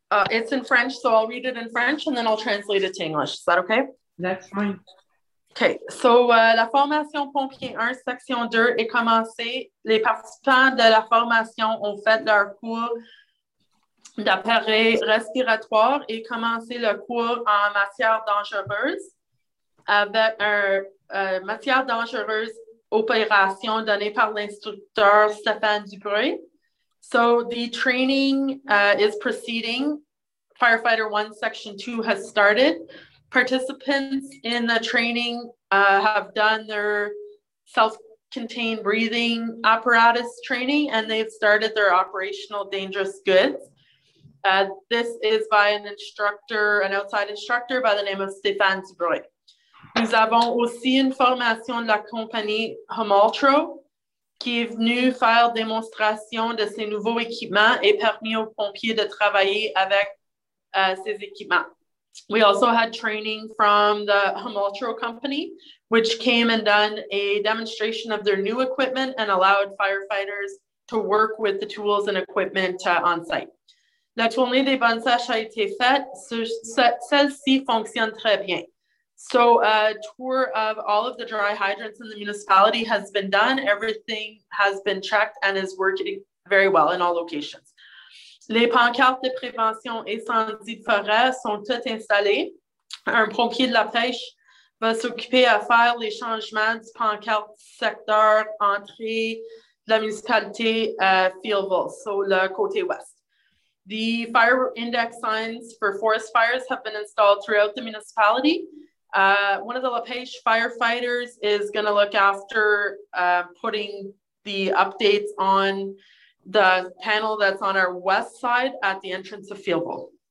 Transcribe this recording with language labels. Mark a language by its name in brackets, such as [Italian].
[English] It's in French, so I'll read it in French and then I'll translate it to English. Is that okay? That's fine. [French] Okay, so la formation pompier 1, section 2 est commencée. Les participants de la formation ont fait leur cours d'appareil respiratoire et commencé le cours en matière dangereuse avec une matière dangereuse opération donnée par l'instructeur Stéphane Dupré. [English] So the training is proceeding. Firefighter 1, section 2 has started. Participants in the training have done their self-contained breathing apparatus training and they've started their operational dangerous goods. This is by an instructor, an outside instructor by the name of Stéphane Dubreuil. [French] Nous avons aussi une formation de la compagnie Homaltro qui est venue faire démonstration de ses nouveaux équipements et permis aux pompiers de travailler avec ces équipements. [English] We also had training from the Homaltro company, which came and done a demonstration of their new equipment and allowed firefighters to work with the tools and equipment on site. [French] La tournée des bonnes sèches a été faite. Celle-ci fonctionne très bien. [English] So a tour of all of the dry hydrants in the municipality has been done. Everything has been checked and is working very well in all locations. [French] Les pancartes de prévention incendie de forêt sont toutes installées. Un pompier de la pêche va s'occuper à faire les changements du pancarte secteur entrée de la municipalité Fieldville, so le côté ouest. [English] The fire index signs for forest fires have been installed throughout the municipality. One of the La Pêche firefighters is going to look after putting the updates on the panel that's on our west side at the entrance of Fieldville.